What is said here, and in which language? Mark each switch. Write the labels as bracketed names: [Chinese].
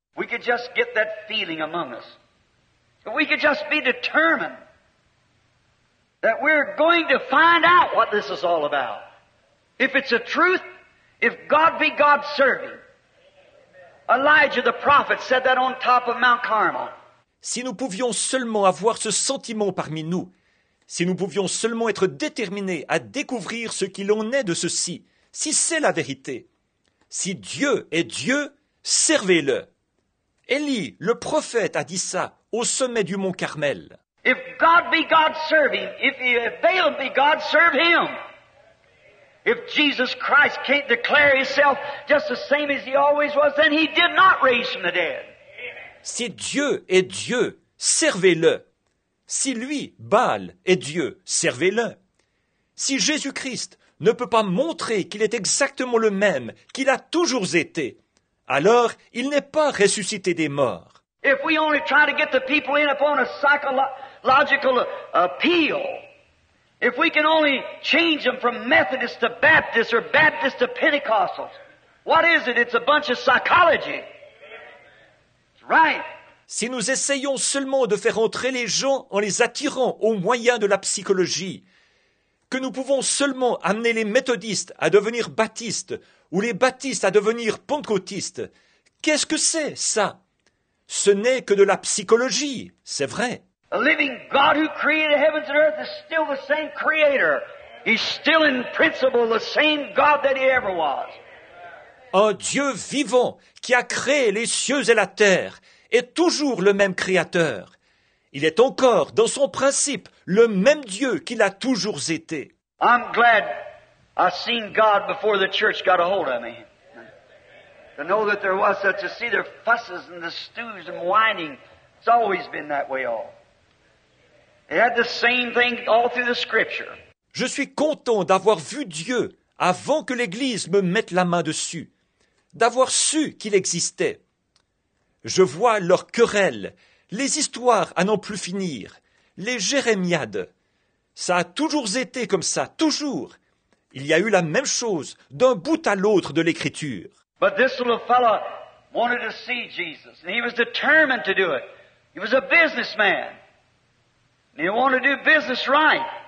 [English] We could just get that feeling among us. We could just be determined. That we're going to find out what this is all about. If it's a truth, if God be God's servant. Elijah the prophet said that on top of Mount Carmel. [French] Si nous pouvions seulement avoir ce sentiment parmi nous, si nous pouvions seulement être déterminés à découvrir ce qu'il en est de ceci, si c'est la vérité, si Dieu est Dieu, servez-le. Élie, le prophète, a dit ça au sommet du Mont Carmel. [English] If God be God, serve him. If Baal be God, serve him. If Jesus Christ can't declare himself just the same as he always was, then he did not raise from the dead. [French] Si Dieu est Dieu, servez-le. Si lui, Baal, est Dieu, servez-le. Si Jésus-Christ ne peut pas montrer qu'il est exactement le même qu'il a toujours été, alors il n'est pas ressuscité des morts. [English] If we only try to get the people in upon a psychological appeal, if we can only change them from Methodist to Baptist or Baptist to Pentecostal, what is it? It's a bunch of psychology. It's right. [French] Si nous essayons seulement de faire entrer les gens en les attirant au moyen de la psychologie, que nous pouvons seulement amener les méthodistes à devenir baptistes ou les baptistes à devenir pentecôtistes, qu'est-ce que c'est ça? Ce n'est que de la psychologie, c'est vrai. [English] A living God who created heavens and earth is still the same creator. He's still in principle the same God that he ever was. [French] Un Dieu vivant qui a créé les cieux et la terre est toujours le même créateur. Il est encore dans son principe le même Dieu qu'il a toujours été. [English] I'm glad I seen God before the church got a hold of me. To know that there was such a sea, there fusses and the stews and whining. It's always been that way all. It had the same thing all through the scripture. [French] Je suis content d'avoir vu Dieu avant que l'Église me mette la main dessus, d'avoir su qu'il existait. Je vois leurs querelles, les histoires à n'en plus finir, les Jérémiades. Ça a toujours été comme ça, toujours. Il y a eu la même chose d'un bout à l'autre de l'Écriture. [English] But this little fellow wanted to see Jesus, and he was determined to do it. He was a businessman, and he wanted to do business right.